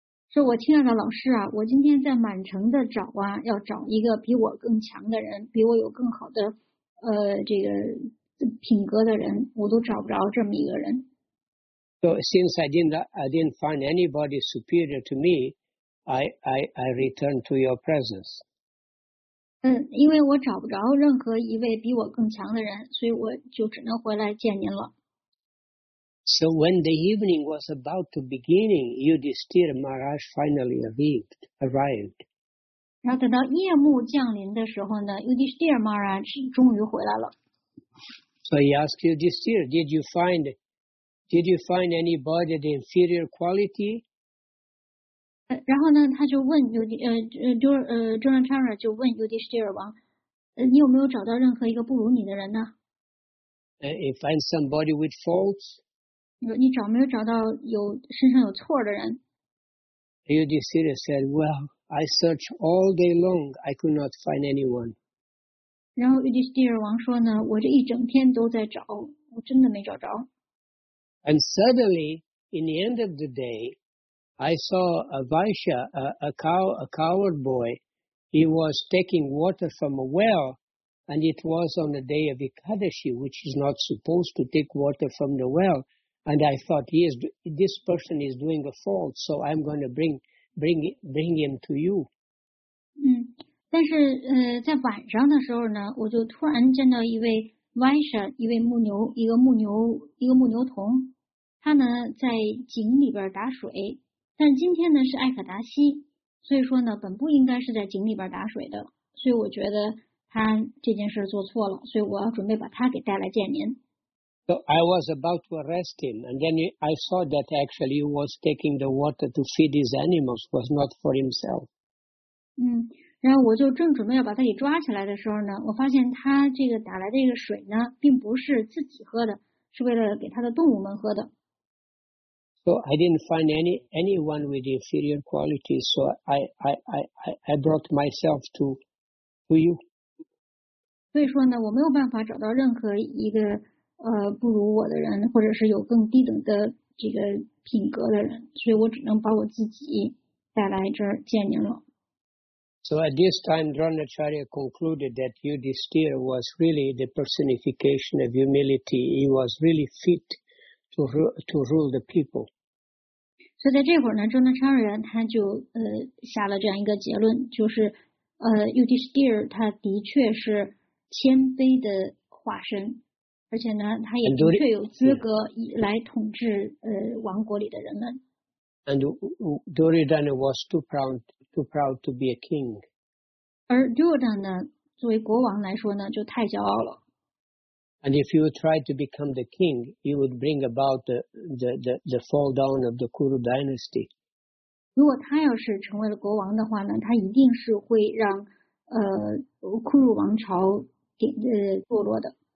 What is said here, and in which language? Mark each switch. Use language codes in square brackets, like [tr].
[zh] So, 我亲爱的老师啊，我今天在满城的找啊，要找一个比我更强的人，比我有更好的这个品格的人，我都找不着这么一个人。 [en] So, since I didn't find anybody superior to me, I returned to your presence. [zh] 因为我找不着任何一位比我更强的人，所以我就只能回来见您了。 [en] So when the evening was about to begin, Yudhisthira Maharaj finally arrived. [zh] 然后等到夜幕降临的时候呢 ，Yudhisthira Maharaj 终于回来了。 [en] So he asked Yudhisthira, did you find anybody of inferior quality? [zh] 然后呢，他就问Dronacharya 就问 Yudhisthira 王，你有没有找到任何一个不如你的人呢 [en] ？He finds somebody with faults. [zh] 你找没有找到有身上有错的人 [en] ？Yudhisthira said, "Well, I searched all day long. I could not find anyone." [zh] 然后 Yudhishthira 王说呢，我这一整天都在找，我真的没找着。 [en] And suddenly, in the end of the day, I saw a Vaishya, a coward boy. He was taking water from a well, and it was on the day of Ekadashi, which is not supposed to take water from the well. And I thought, this person is doing a fault, so I'm going to bring him to you. [zh] 但是在晚上的时候呢，我就突然见到一位 Vaishya, 一位牧牛，一个牧牛童。他呢在井里边打水，但今天呢是艾可达西，所以说呢本不应该是在井里边打水的，所以我觉得他这件事做错了，所以我要准备把他给带来见您。 [en] So I was about to arrest him, and then I saw that actually he was taking the water to feed his animals, was not for himself. [zh] 然后我就正准备要把他给抓起来的时候呢，我发现他这个打来的这个水呢，并不是自己喝的，是为了给他的动物们喝的。 [en] So I didn't find anyone with inferior qualities, so I brought myself to you. [zh] 所以说呢，我没有办法找到任何一个不如我的人，或者是有更低等的这个品格的人，所以我只能把我自己带来这儿见您了。 [en] So at this time, Dronacharya concluded that Yudhisthira was really the personification of humility. He was really fit to rule the people. [zh] So 在这会儿呢 ，Dronacharya 他就下了这样一个结论，就是Yudhisthira 他的确是谦卑的化身，而且呢，他也的确有资格来统治王国里的人们。 [en] And Duryodhana was too proud to be a king. [zh] 而 Duryodhana 作为国王来说呢，就太骄傲了。 [en] And if you tried to become the king, you would bring about the fall down of the Kuru dynasty. [zh] 如果他要是成为了国王的话呢，他一定是会让库鲁王朝堕落的。